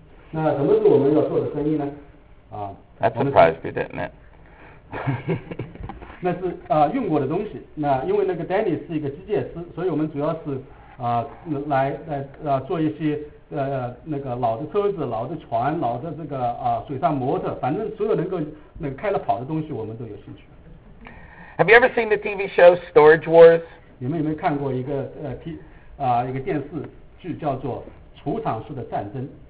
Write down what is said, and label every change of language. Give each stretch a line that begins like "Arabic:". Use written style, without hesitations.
Chinese: 那什么是我们要做的生意呢？那是用过的东西。那因为那个Danny是一个机械师，所以我们主要是来做一些老的车子、老的船、老的这个水上摩托，反正所有能够开了跑的东西，我们都有兴趣。
English: Have you ever seen the TV show Storage Wars?
Chinese: 你们有没有看过一个电视剧叫做《储藏室的战争》?